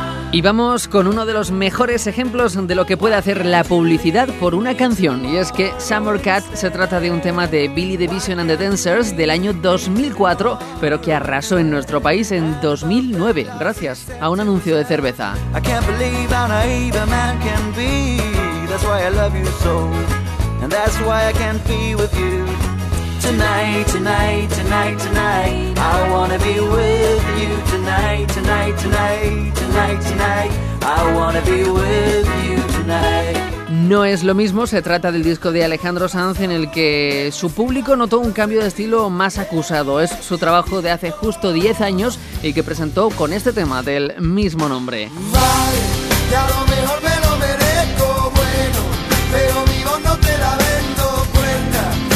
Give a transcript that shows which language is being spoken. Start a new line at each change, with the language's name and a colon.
Spanish: Y vamos con uno de los mejores ejemplos de lo que puede hacer la publicidad por una canción, y es que Summer Cat se trata de un tema de Billy the Vision and the Dancers del año 2004, pero que arrasó en nuestro país en 2009, gracias a un anuncio de cerveza.
English: I can't believe how naive a man can be, that's why I love you so, and that's why I can't be with you. Tonight, tonight, tonight, tonight, I wanna be with you. Tonight, tonight, tonight, tonight, tonight, I wanna be with you tonight.
Spanish: No es lo mismo, se trata del disco de Alejandro Sanz en el que su público notó un cambio de estilo más acusado. Es su trabajo de hace justo 10 años y que presentó con este tema del mismo nombre. Vale, ya lo mejor me lo merezco, bueno, pero mi voz no te la vendo cuenta.